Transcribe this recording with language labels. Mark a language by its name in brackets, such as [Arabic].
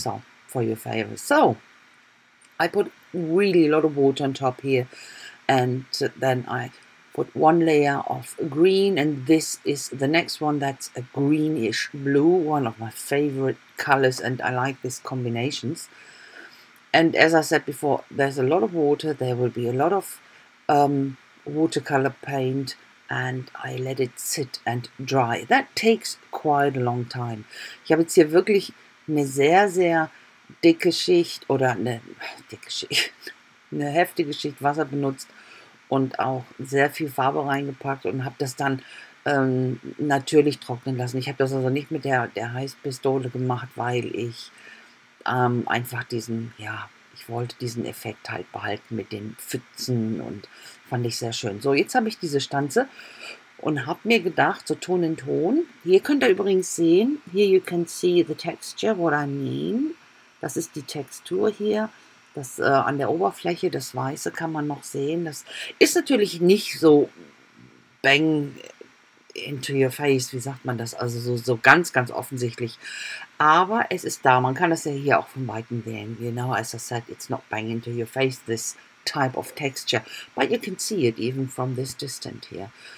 [English] So for your favor, so I put really a lot of water on top here, and then I put one layer of green, and this is the next one, that's a greenish blue, one of my favorite colors, and I like these combinations. And as I said before, there's a lot of water, there will be a lot of watercolor paint, and I let it sit and dry. That takes quite a long time. [German] Ich habe jetzt hier wirklich eine sehr, sehr dicke Schicht, oder eine dicke Schicht, eine heftige Schicht Wasser benutzt und auch sehr viel Farbe reingepackt und habe das dann natürlich trocknen lassen. Ich habe das also nicht mit der Heißpistole gemacht, weil ich einfach ich wollte diesen Effekt halt behalten mit den Pfützen, und fand ich sehr schön. So, jetzt habe ich diese Stanze und habe mir gedacht, so Ton in Ton. Hier könnt ihr übrigens sehen, [English] here you can see the texture, what I mean. [German] Das ist die Textur hier. Das an der Oberfläche, das Weiße kann man noch sehen. Das ist natürlich nicht so [English] bang into your face, [German] wie sagt man das, also so ganz, ganz offensichtlich. Aber es ist da, man kann das ja hier auch von Weitem sehen. [English] You know, as I said, it's not bang into your face, this type of texture. But you can see it even from this distance here.